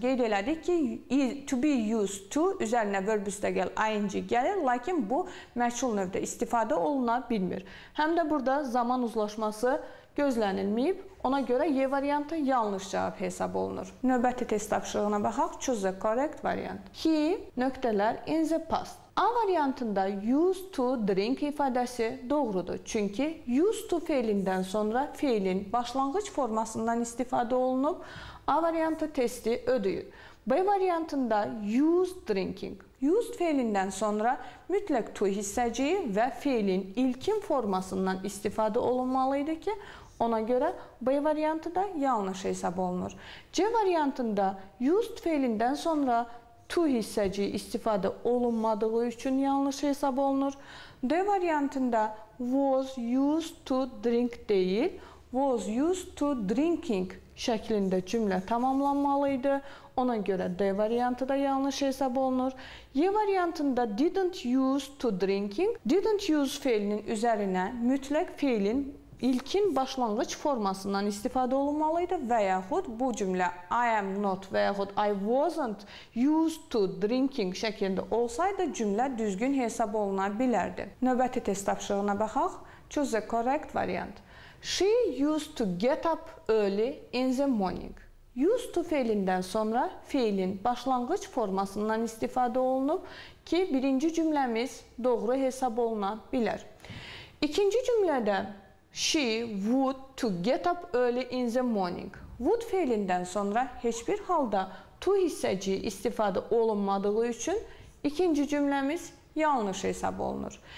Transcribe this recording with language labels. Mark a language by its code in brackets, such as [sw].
[az] Qeyd elədik ki, to be used to üzərinə verb üstəgəl ing gəlir, lakin bu məçhul növdə istifadə oluna bilmir. Həm də burada zaman uzlaşması gözlənilməyib. Ona görə Y variantı yanlış cavab hesab olunur. Növbəti test tapşırığına baxaq. [en] Choose the correct variant. He nöqtələr in the past. [az] A variantında used to drink ifadəsi doğrudur. Çünki used to fiilindən sonra fiilin başlanğıc formasından istifadə olunub, A variantı testi ödəyir. B variantında used drinking. Used fiilindən sonra mütləq to hissəciyi və fiilin ilkin formasından istifadə olunmalıydı ki, ona görə B variantı da yanlış hesab olunur. C variantında used fiilindən sonra to hissəciyi istifadə olunmadığı üçün yanlış hesab olunur. D variantında was used to drink deyil, was used to drinking şəklində cümlə tamamlanmalıydı. Ona görə D variantı da yanlış hesab olunur. Y variantında didn't used to drinking, didn't use fiilinin üzərinə mütləq fiilin İlkin başlanğıc formasından istifadə olunmalıydı və yaxud bu cümlə I am not və yaxud [en] I wasn't used to drinking [az] şəklində olsaydı cümlə düzgün hesab oluna bilərdi. Növbəti test tapşırığına baxaq. [en] Choose the correct variant. She used to get up early in the morning. [az] Used to fiilindən sonra fiilin başlanğıc formasından istifadə olunub ki, birinci cümləmiz doğru hesab oluna bilər. İkinci cümlədə [en] She would to get up early in the morning. [az] Would fiilindən sonra heç bir halda to hissəciyi istifadə olunmadığı üçün ikinci cümləmiz yanlış hesab olunur.